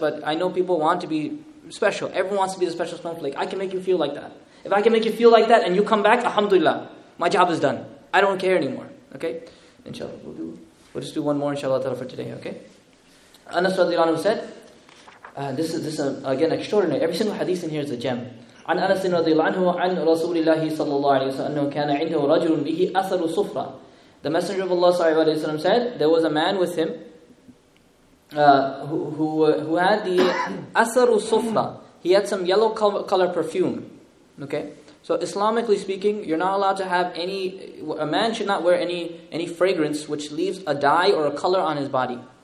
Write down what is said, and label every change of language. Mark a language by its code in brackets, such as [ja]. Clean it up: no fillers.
[en] But I know people want to be special. Everyone wants to be the special snowflake. I can make you feel like that. If I can make you feel like that and you come back, alhamdulillah, my job is done. I don't care anymore. Okay? Inshallah, we'll just do one more, inshallah Ta'ala, for today, okay? Anas radiallahu anhu said, this is, again, extraordinary. Every single hadith in here is a gem. [ar] عن أنس رضي الله عنه عن رسول الله صلى الله عليه وسلم أنه كان عنده رجل به أثر صفرة. [en] The Messenger of Allah صلى الله عليه وسلم said there was a man with him who had the أثر صفرة. He had some yellow color perfume. Okay. So Islamically speaking, you're not allowed to have any. A man should not wear any fragrance which leaves a dye or a color on his body.